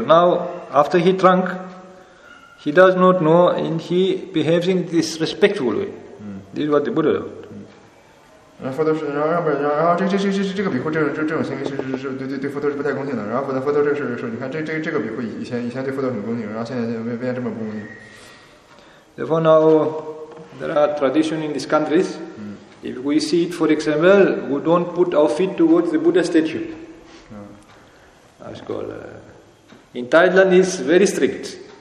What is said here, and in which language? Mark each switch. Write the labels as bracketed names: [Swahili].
[English] Now, after he drank, he does not know and he behaves in this respectful way. This is what the Buddha wrote. [Chinese] 然后佛陀是，然后这个比丘这种行为是对佛陀是不太恭敬的。然后佛陀这是说，你看这个比丘以前对佛陀很恭敬，然后现在就变这么不恭敬。 [English] Therefore now there are tradition in these countries. If we see it, for example, we don't put our feet towards the Buddha statue. That's called, in Thailand, it's very strict.